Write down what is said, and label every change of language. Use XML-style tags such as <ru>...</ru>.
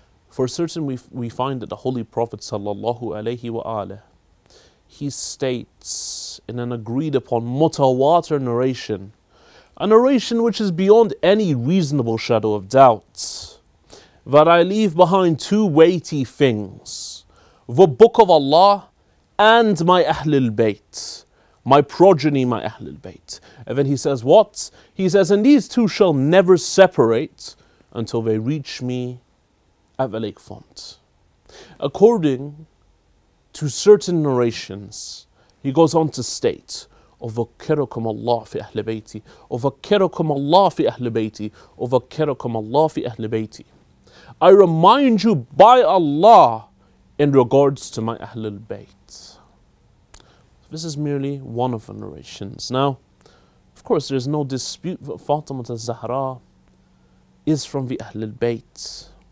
<en>For certain, we find that the Holy Prophet sallallahu alayhi wa alayhi, he states in an agreed upon mutawatir narration, a narration which is beyond any reasonable shadow of doubt, that I leave behind two weighty things, the Book of Allah and my Ahlul Bayt, my progeny, my Ahlul Bayt. And then he says what? He says, and these two shall never separate until they reach me at the lake font. According to certain narrations, he goes on to state,</en> <ar>وَذَكِّرُكُمْ اللَّهُ فِي أَهْلِ بَيْتِي وَذَكِّرُكُمْ اللَّهُ فِي أَهْلِ بَيْتِي وَذَكِّرُكُمْ اللَّهُ فِي أَهْلِ بَيْتِي.</ar> <en>I remind you by Allah in regards to my Ahlul Bayt. This is merely one of the narrations. Now, of course, there is no dispute that Fatima al-Zahra is from the Ahlul Bayt.</en>